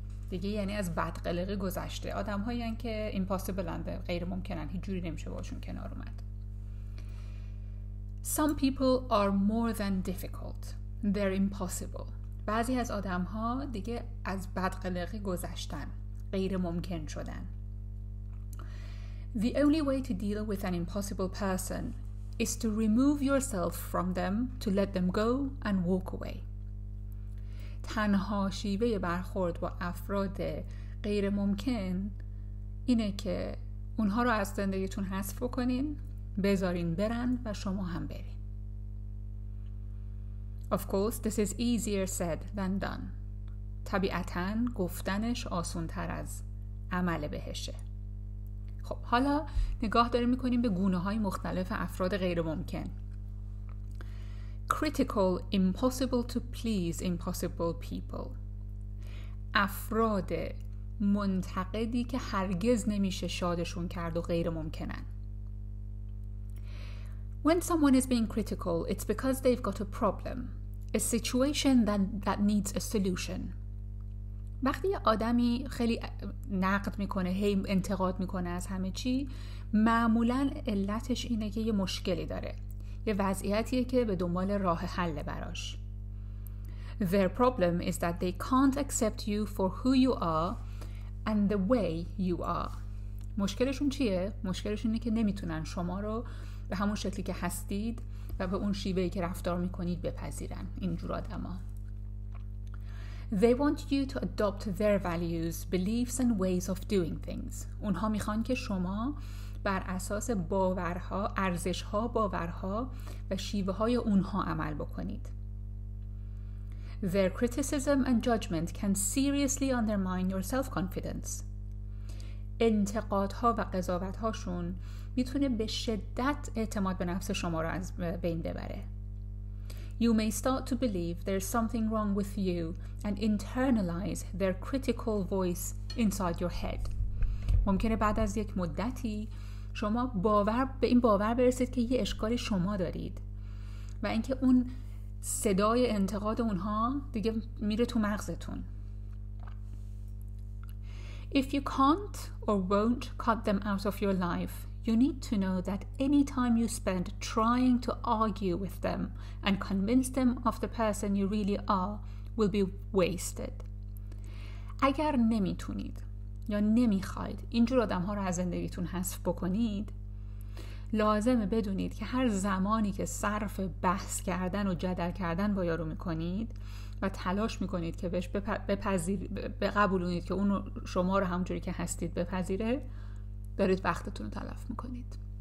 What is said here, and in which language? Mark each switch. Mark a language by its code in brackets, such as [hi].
[fa] دیگه یعنی از بدقلقی گذشته، آدم هایی هن که impossible هن، غیر ممکن هن، هیچ جوری نمیشه باشون کنار اومد. [en] Some people are more than difficult. They're impossible. [fa] بعضی از آدم ها دیگه از بدقلقی گذشتن، غیر ممکن شدن. [en] The only way to deal with an impossible person is to remove yourself from them, to let them go and walk away. [fa] تنها شیوه برخورد با افراد غیر ممکن اینه که اونها رو از زندگیتون حذف کنین، بذارین برن و شما هم برین. [en] Of course, this is easier said than done. [fa] طبیعتاً گفتنش آسان تر از عمل بهشه. خب، حالا نگاه داریم میکنیم به گونه های مختلف افراد غیر ممکن. [en] Critical, impossible to please, impossible people. [fa] افراد منتقدی که هرگز نمیشه شادشون کرد و غیر ممکنن. [en] When someone is being critical, it's because they've got a problem, a situation that needs a solution. [fa] وقتی یه آدمی خیلی نقد میکنه، هی انتقاد میکنه از همه چی، معمولا علتش اینه که یه مشکلی داره، یه وضعیتیه که به دنبال راه حل براش. [en] Their problem is that they can't accept you for who you are and the way you are. [fa] مشکلشون چیه؟ مشکلشون اینه که نمیتونن شما رو به همون شکلی که هستید و به اون شیوهی که رفتار میکنید بپذیرن، اینجور آدم ها. [en] They want you to adopt their values, beliefs and ways of doing things. [fa] اونها میخوان که شما بر اساس باورها، ارزشها، باورها و شیوه های اونها عمل بکنید. [en] Their criticism and judgment can seriously undermine your self-confidence. [fa] انتقادها و قضاوتهاشون میتونه به شدت اعتماد به نفس شما رو از بین ببره. [en] You may start to believe there's something wrong with you and internalize their critical voice inside your head. [fa] ممکنه بعد از یک مدتی شما باور به این باور برسید که یه اشکالی شما دارید و اینکه اون صدای انتقاد اونها دیگه میره تو مغزتون. [en] If you can't or won't cut them out of your life, you need to know that any time you spend trying to argue with them and convince them of the person you really are will be wasted. [fa] اگر نمیتونید یا نمیخواید اینجور آدم ها رو از زندگیتون حذف بکنید، لازمه بدونید که هر زمانی که صرف بحث کردن و جدل کردن با یارو میکنید و تلاش میکنید که بهش بقبولونید که اون شما رو همونجوری که هستید بپذیره، دارید وقتتون رو تلف میکنید.